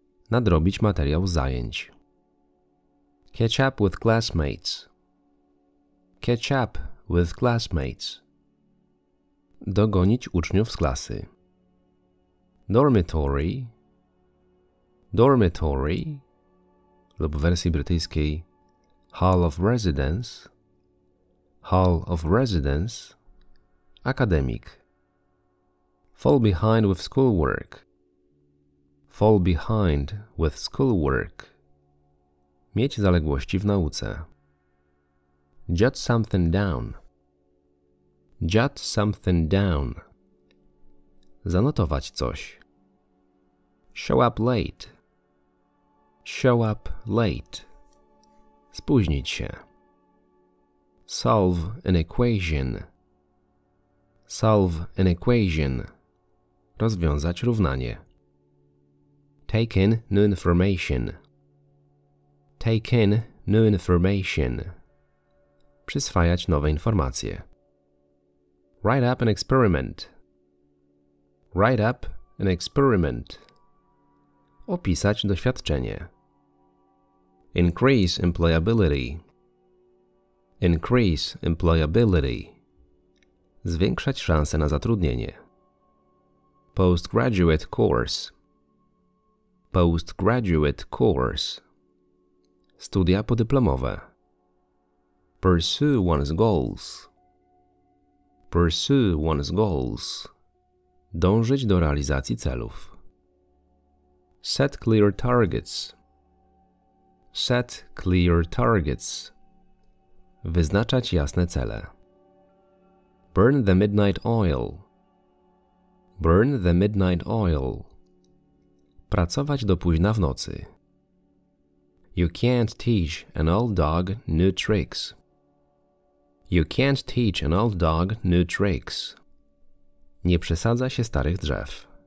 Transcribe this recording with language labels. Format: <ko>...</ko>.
<pl>Nadrobić materiał zajęć.</pl> <en>Catch up with classmates. Catch up with classmates.</en> <pl>Dogonić uczniów z klasy.</pl> <en>Dormitory. Dormitory.</en> <pl>Lub w wersji brytyjskiej</pl> <en>Hall of Residence. Hall of Residence.</en> <pl>Akademik.</pl> <en>Fall behind with schoolwork. Fall behind with schoolwork.</en> <pl>Mieć zaległości w nauce.</pl> <en>Jot something down. Jot something down.</en> <pl>Zanotować coś.</pl> <en>Show up late. Show up late.</en> <pl>Spóźnić się.</pl> <en>Solve an equation. Solve an equation.</en> <pl>Rozwiązać równanie.</pl> <en>Take in new information. Take in new information.</en> <pl>Przyswajać nowe informacje.</pl> <en>Write up an experiment. Write up an experiment.</en> <pl>Opisać doświadczenie.</pl> <en>Increase employability. Increase employability.</en> <pl>Zwiększać szanse na zatrudnienie.</pl> <en>Postgraduate course. Postgraduate course.</en> <pl>Studia podyplomowe.</pl> <en>Pursue one's goals. Pursue one's goals.</en> <pl>Dążyć do realizacji celów.</pl> <en>Set clear targets. Set clear targets.</en> <pl>Wyznaczać jasne cele.</pl> <en>Burn the midnight oil. Burn the midnight oil.</en> <pl>Pracować do późna w nocy.</pl> <en>You can't teach an old dog new tricks. You can't teach an old dog new tricks.</en> <pl>Nie przesadza się starych drzew.</pl>